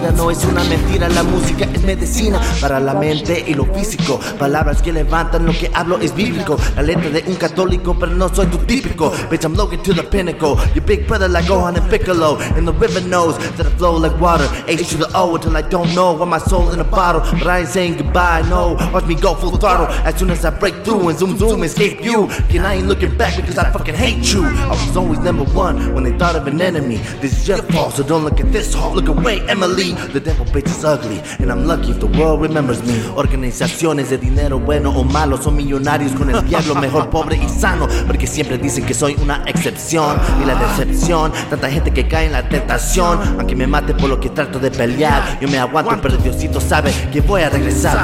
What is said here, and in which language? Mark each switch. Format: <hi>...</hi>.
<es>Es una mentira, la música es medicina para la mente y lo físico. Palabras que levantan, lo que hablo es bíblico. La letra de un católico, pero no soy tu típico.</es> <en>Bitch, I'm looking to the pinnacle. Your big brother like Gohan and Piccolo. And the river knows that I flow like water. H to the O until I don't know why my soul in a bottle. But I ain't saying goodbye, no. Watch me go full throttle as soon as I break through and zoom zoom escape you. And I ain't looking back because I fucking hate you. I was always number one when they thought of an enemy. This is your fault, so don't look at this hole. Look away, Emily. The devil bitch is ugly, and I'm lucky if the world remembers me.</en> <es>Organizaciones de dinero bueno o malo son millonarios con el diablo, mejor pobre y sano. Porque siempre dicen que soy una excepción y la decepción, tanta gente que cae en la tentación. Aunque me mate por lo que trato de pelear, yo me aguanto, pero Diosito sabe que voy a regresar.</es>